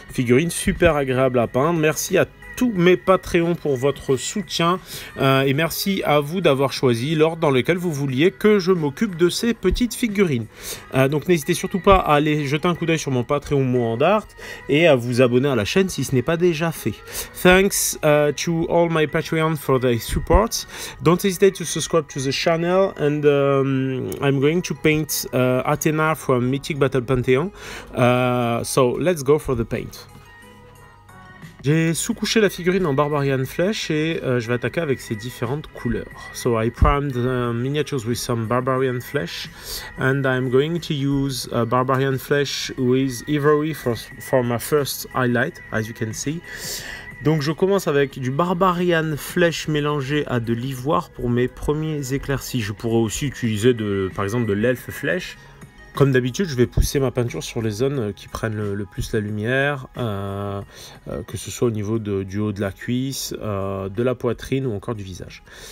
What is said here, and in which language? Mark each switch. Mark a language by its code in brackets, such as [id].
[fr] Figurine super agréable à peindre. Merci à tous mes Patreons pour votre soutien et merci à vous d'avoir choisi l'ordre dans lequel vous vouliez que je m'occupe de ces petites figurines. Donc n'hésitez surtout pas à aller jeter un coup d'œil sur mon Patreon Mohandart et à vous abonner à la chaîne si ce n'est pas déjà fait. [en] Thanks to all my Patreons for their support. Don't hesitate to subscribe to the channel and I'm going to paint Athena from Mythic Battle Pantheon. So let's go for the paint. [fr] J'ai sous-couché la figurine en Barbarian Flesh et je vais attaquer avec ses différentes couleurs. [en] So I primed the miniatures with some Barbarian Flesh and I'm going to use Barbarian Flesh with Ivory for my first highlight, as you can see. [fr] Donc je commence avec du Barbarian Flesh mélangé à de l'ivoire pour mes premiers éclaircies. Je pourrais aussi utiliser par exemple de l'Elf Flesh. Comme d'habitude, je vais pousser ma peinture sur les zones qui prennent le plus la lumière, que ce soit au niveau du haut de la cuisse, de la poitrine ou encore du visage.